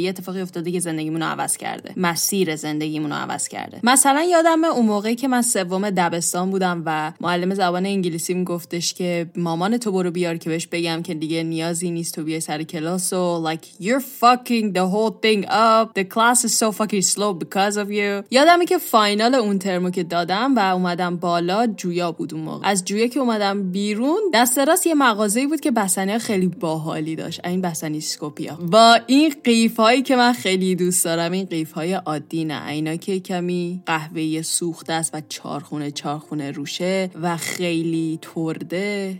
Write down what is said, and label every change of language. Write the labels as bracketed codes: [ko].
[fa] یه اتفاقی افتاده که زندگیمونو عوض کرده. مسیر زندگیمونو عوض کرده. مثلا یادمه اون موقعی که من سوم دبستان بودم و معلم زبان انگلیسیم گفتش که مامان تو برو بیار که بهش بگم که دیگه نیازی نیست تو بیای سر کلاس و [en] like you're fucking the whole thing up. The class is so fucking slow because of you. [fa] یادمه که فاینال اون ترمو که دادم و اومدم بالا، جویا بود اون موقع. از جویا که اومدم بیرون، دست راست یه مغازه‌ای بود که بستنی‌ها خیلی باحالی داشت. این بستنی سکوپیا. با این قیف‌هایی که من خیلی دوست دارم، این قیف‌های عادی نه، اینا که کمی قهوه‌ای سوخته است و چارخونه روشه و خیلی ترده.